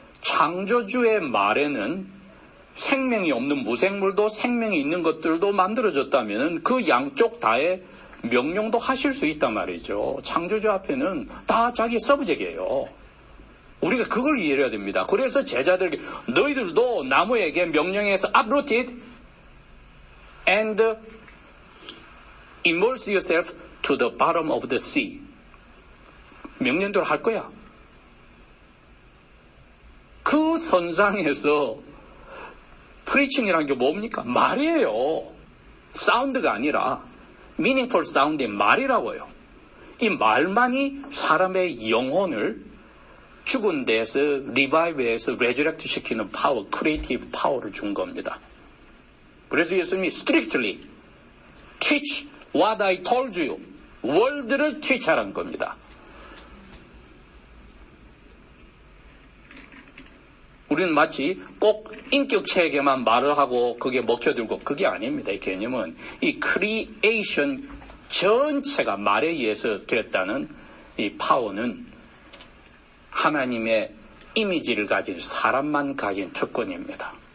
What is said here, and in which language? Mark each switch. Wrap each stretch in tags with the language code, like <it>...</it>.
<ko>창조주의 말에는 생명이 없는 무생물도 생명이 있는 것들도 만들어졌다면 그 양쪽 다에 명령도 하실 수 있단 말이죠. 창조주 앞에는 다 자기 서브젝이에요. 우리가 그걸 이해를 해야 됩니다. 그래서 제자들에게 너희들도 나무에게 명령해서</ko> <en>uprooted and immerse yourself to the bottom of the sea.</en> <ko>명령대로 할 거야. 그 선상에서 preaching이란 게 뭡니까? 말이에요. 사운드가 아니라</ko> <en>meaningful sound</en> <ko>의 말이라고요. 이 말만이 사람의 영혼을 죽은 데서 리바이브해서 레저렉트 시키는 파워, 크리에이티브 파워를 준 겁니다. 그래서 예수님이</ko> <en>strictly teach what I told you,</en> <ko>월드를 teach하란 겁니다. 우리는 마치 꼭 인격체에게만 말을 하고 그게 먹혀들고 그게 아닙니다. 이 개념은 이 크리에이션 전체가 말에 의해서 되었다는 이 파워는 하나님의 이미지를 가진 사람만 가진 특권입니다.</ko>